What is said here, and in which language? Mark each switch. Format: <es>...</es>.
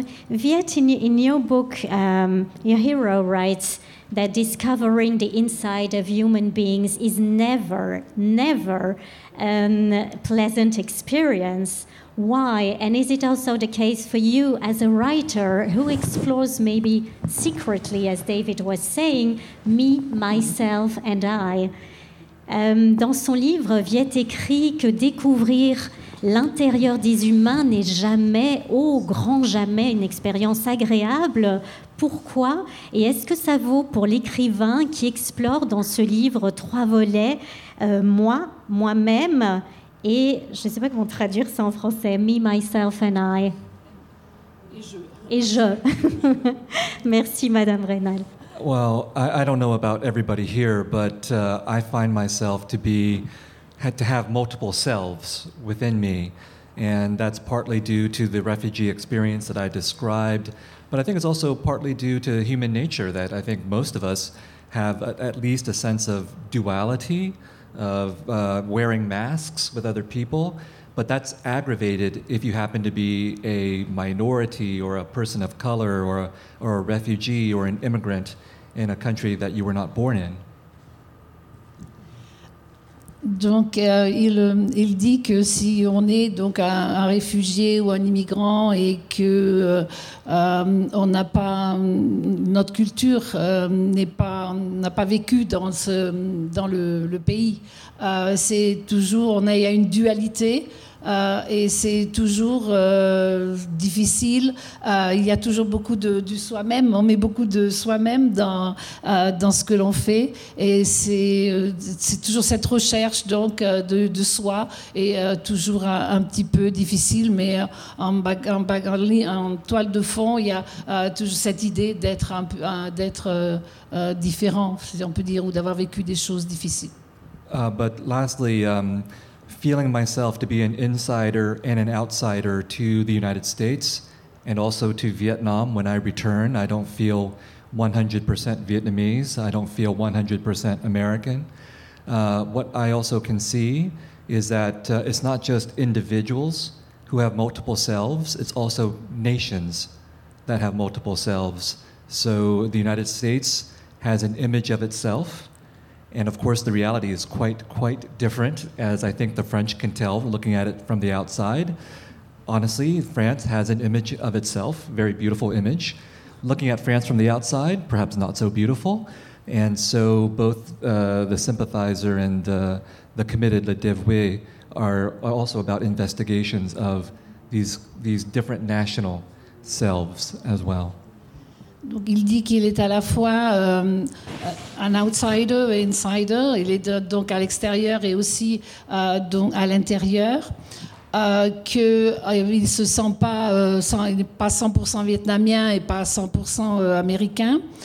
<en>Viet, in your book, your hero writes that discovering the inside of human beings is never, never a pleasant experience. Why? And is it also the case for you as a writer who explores maybe secretly, as David was saying, me, myself and I?</en> <fr>Dans son livre, Viet écrit que découvrir l'intérieur des humains n'est jamais, au grand jamais, une expérience agréable. Pourquoi ? Et est-ce que ça vaut pour l'écrivain qui explore dans ce livre trois volets, moi, moi-même, et je ne sais pas comment traduire ça en français,</fr> <en>me, myself and I.</en> <fr>Et je. Et je. Merci, Madame Reynal.</fr> <en>Well, I don't know about everybody here, but I find myself to have multiple selves within me, and that's partly due to the refugee experience that I described, but I think it's also partly due to human nature that I think most of us have at least a sense of duality, of wearing masks with other people, but that's aggravated if you happen to be a minority or a person of color or a refugee or an immigrant in a country that you were not born in.</en> <fr>Donc il dit que si on est donc un réfugié ou un immigrant et que on n'a pas notre culture n'a pas vécu dans le pays, c'est toujours il y a une dualité. Et c'est toujours difficile. Il y a toujours beaucoup de soi-même. On met beaucoup de soi-même dans ce que l'on fait. Et c'est toujours cette recherche donc de soi. Et toujours un petit peu difficile. Mais en toile de fond, il y a toujours cette idée d'être différent, si on peut dire, ou d'avoir vécu des choses difficiles.</fr> <en>But lastly. Feeling myself to be an insider and an outsider to the United States and also to Vietnam when I return. I don't feel 100% Vietnamese. I don't feel 100% American. What I also can see is that it's not just individuals who have multiple selves. It's also nations that have multiple selves. So the United States has an image of itself. And of course, the reality is quite, quite different, as I think the French can tell looking at it from the outside. Honestly, France has an image of itself, very beautiful image, looking at France from the outside, perhaps not so beautiful. And so both the sympathizer and the committed, Le Devoué, are also about investigations of these different national selves as well.</en> <fr>Donc il dit qu'il est à la fois un outsider et insider. Il est donc à l'extérieur et aussi donc à l'intérieur. Qu'il se sent pas, pas 100% vietnamien et pas 100% américain.</fr>